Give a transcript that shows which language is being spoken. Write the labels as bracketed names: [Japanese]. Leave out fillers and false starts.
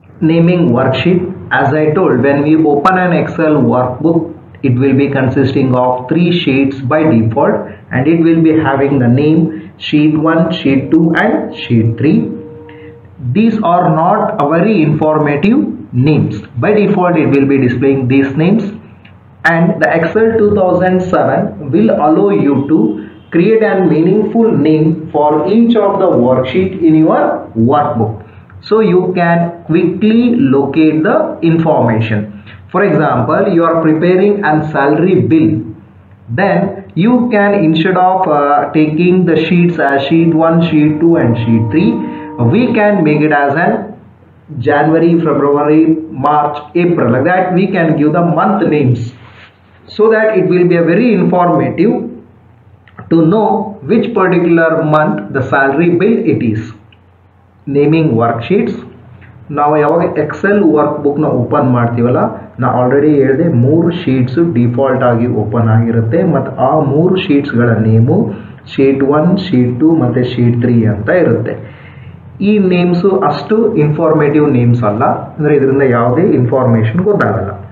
[English] Naming worksheet, as I told, when we open an Excel workbook, it will be consisting of three sheets by default, and it will be having the name sheet 1, sheet 2 and sheet 3. These are not a very informative names. By default it will be displaying these names. And the Excel 2007 will allow you to create a meaningful name for each of the worksheet in your workbook. So you can quickly locate the information. For example, you are preparing a salary bill. Then you can, instead of taking the sheets as sheet 1, sheet 2 and sheet 3, we can make it as an January, February, March, April. Like that we can give the month names. So that it will be a very informative to know which particular month the salary bill it is. Naming worksheets. [Kannada] Now ಯಾವಾಗ Excel ವರ್ಕ್ಬುಕ್ನ open ಮಾಡ್ತೀವಲ್ಲ, ನಾ already ಹೇಳಿದೆ ಮೂರು sheets default ಆಗಿ open ಆಗಿರುತ್ತೆ. ಮತ್ತು ಆ ಮೂರು ಶೀಟ್ಸ್ಗಳ ನೇಮು ಶೀಟ್ 1, ಶೀಟ್ 2 ಮತ್ತು ಶೀಟ್ 3 ಅಂತ ಇರುತ್ತೆ. ಈ ನೇಮ್ಸು ಅಷ್ಟು ಇನ್ಫಾರ್ಮೇಟಿವ್ ನೇಮ್ಸ್ ಅಲ್ಲ, ಅಂದರೆ ಇದರಿಂದ ಯಾವುದೇ ಇನ್ಫಾರ್ಮೇಷನ್ ಗೊತ್ತಾಗಲ್ಲ.